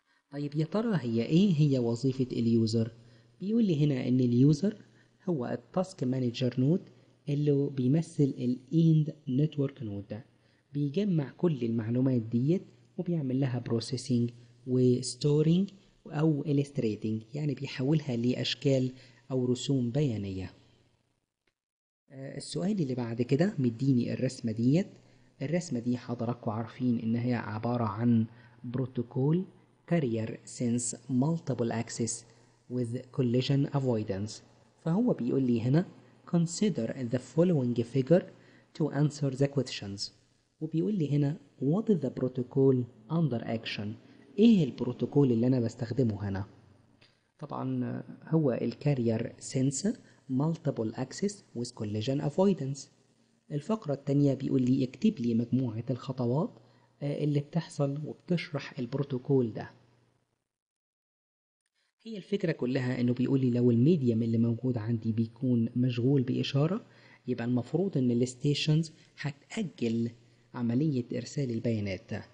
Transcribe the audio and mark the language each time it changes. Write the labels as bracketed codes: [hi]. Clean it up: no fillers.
[ar] طيب يا ترى هي ايه هي وظيفة اليوزر؟ بيقول لي هنا ان اليوزر هو التاسك مانجر نود اللي بيمثل الاند نتورك نود، بيجمع كل المعلومات ديت وبيعمل لها بروسيسنج وستورينج او الستريتنج، يعني بيحولها لاشكال او رسوم بيانية. السؤال اللي بعد كده مديني الرسمة ديت. الرسمة دي حضراتكم عارفين انها عبارة عن بروتوكول Carrier Sense Multiple Access with Collision Avoidance. فهو بيقول لي هنا [en] Consider the following figure to answer the questions. [ar] وبيقول لي هنا [en] What is the protocol under action؟ [ar] إيه البروتوكول اللي أنا بستخدمه هنا؟ طبعا هو Carrier Sense Multiple Access with Collision Avoidance. الفقرة التانية بيقول لي اكتب لي مجموعة الخطوات اللي بتحصل وبتشرح البروتوكول ده. هي الفكرة كلها انه بيقولي لو الميديم اللي موجود عندي بيكون مشغول بإشارة، يبقى المفروض ان الستيشنز هتأجل عملية ارسال البيانات.